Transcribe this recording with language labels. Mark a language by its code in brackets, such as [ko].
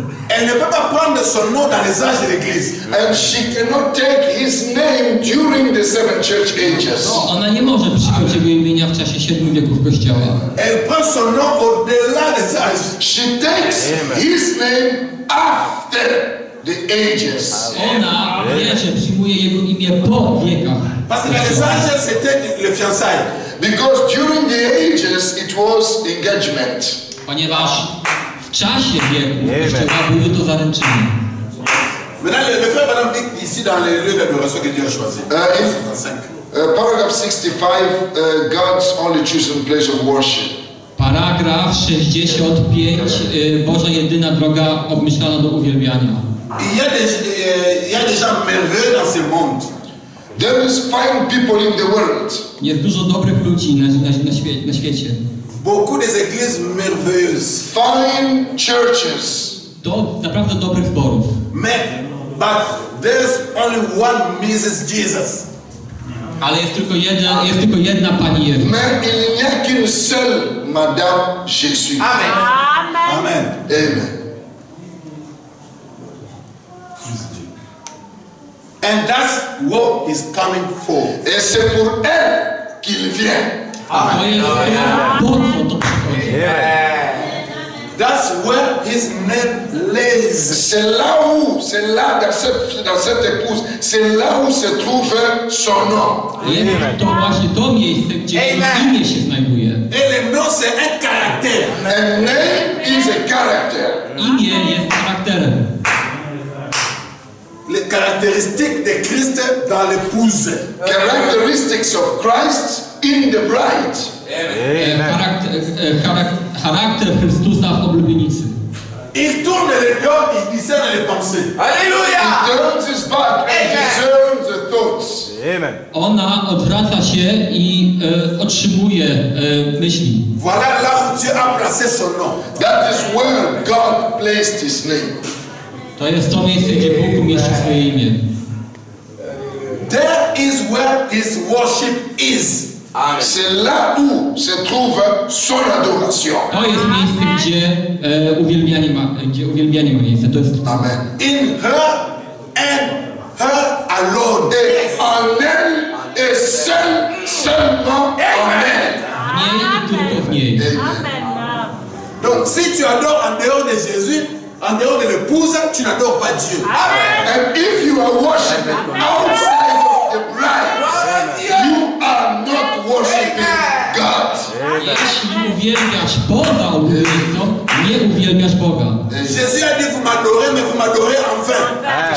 [fr] Elle ne peut pas prendre son nom dans les âges de l'Église. [en] And she cannot take his name during the seven church ages. [pl] No, ona nie może przyjąć jego imienia w czasie 7 wieków kościoła. [fr] Elle prend son nom au-delà des âges. [en] She takes his name after the ages. [pl] Ona bierze, przyjmuje jego imię po wiekach. [fr] Parce que les âges, c'était le fiançailles. [en] Because during the ages, it was engagement. [pl] Ponieważ w czasie wieku jeszcze były to zaręczyny. [fr] Maintenant, le frère Madame dit ici dans les lieux d'adoration que Dieu a choisi. [en] Paragraph 65, God's only chosen place of worship. [pl] Paragraf 65, Boża jedyna droga obmyślana do uwielbiania. [fr] Il y a des gens merveilleux dans ce monde. [en] There is fine people in the world. [pl] Jest dużo dobrych ludzi na świecie. [fr] Beaucoup des églises merveilleuses. [en] Fine churches. [pl] To naprawdę dobrych zborów. [en] But there's only one Mrs. Jesus. [pl] Ale jest tylko jedna Pani Jezus. [fr] Mais il n'y a qu'une seule Madame Jésus. Amen. Amen. Amen. Amen. [en] And that's what he's coming for. [fr] Et c'est pour elle qu'il vient. Amen. Amen. [en] That's where his name lays. [fr] C'est là dans cette épouse, c'est là où se trouve son nom. Amen. Et le nom c'est un caractère. [en] A name is a character. [pl] Imię jest charakterem. [fr] Les caractéristiques de Christ dans l'épouse. [en] Characteristics of Christ in the bride. [pl] Amen. Charakter Chrystusa w oblubienicy. [fr] Il tourne le dos, il discerne les pensées. Alléluia! [en] He turns his back and discerns the thoughts. Amen. [pl] Ona odwraca się i otrzymuje myśli. [fr] Voilà là où Dieu a placé son nom. [en] That is where God placed his name. [pl] To jest to miejsce, gdzie Bóg umieścił swoje imię. [en] There is where his worship is. [fr] Amen. C'est là où se trouve son adoration. [pl] To jest miejsce, gdzie uwielbianie ma miejsce. To jest. Amen. [en] In her and her alone. [fr] En elle et seulement. Amen. [pl] Nie tylko w niej. Amen. [fr] Donc si tu adores en dehors de Jésus, en dehors de l'épouse, tu n'adores pas Dieu. Amen. [en] And if you are worshiping outside of the bride, you are not worshiping God. [pl] Jeśli uwielbiasz Boga, nie uwielbiasz Boga. [fr] Jésus a dit, vous m'adorez, mais vous m'adorez en vain.